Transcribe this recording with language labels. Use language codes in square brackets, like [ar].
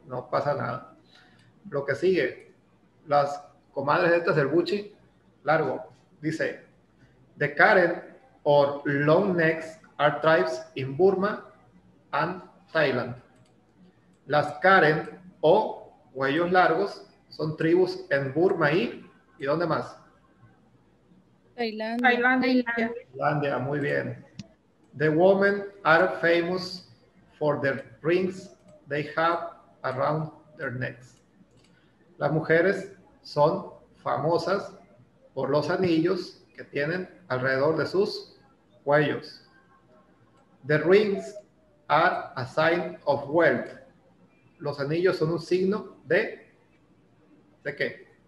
[es] No pasa nada. Lo que sigue, las comadres de estas del Buchi, largo, dice, [en] the Karen or long necks are tribes in Burma and Thailand. [es] Las Karen o cuellos largos son tribus en Burma y ¿dónde más? Tailandia, muy bien. [en] The women are famous for the rings they have around their necks. [es] Las mujeres son famosas por los anillos que tienen alrededor de sus cuellos. [en] The rings are a sign of wealth. [es] Los anillos son un signo de qué?